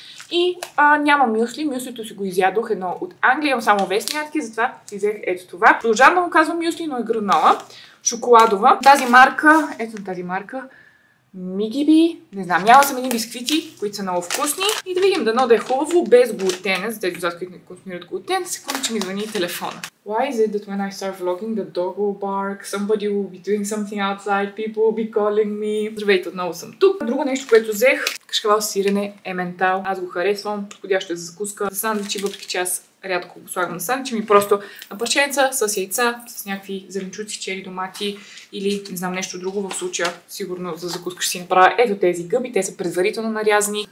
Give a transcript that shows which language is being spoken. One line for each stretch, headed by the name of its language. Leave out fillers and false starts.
Bulgarian: И няма мюсли, мюслито си го изядох едно от Англия, имам само вестни ядки, затова си взех ето това. Продължавам да му казвам мюсли, но е гранола, шоколадова. Тази марка, ето на тази марка, Мигиби, не знам, няма съм едни бисквити, които са много вкусни. И да видим, дано да е хубаво, без глутена, за тези, които не консумират глутен, секунда, че ми звъни телефона.
English: Why is it that when I start vlogging, the dog will bark? Somebody will be doing something outside, people will be calling me.
Bulgarian: Здравейте, отново съм тук. Друго нещо, което взех, кашкавал сирене, ементал. Аз го харесвам, подходящо е за закуска. За сандвичи, въпреки че аз рядко го слагам на сандвичи, ми просто на парченца с яйца, с някакви зеленчуци, чери, домати или не знам нещо друго. В случая сигурно за закуска ще си направя ето тези гъби, те са предварително нарязани.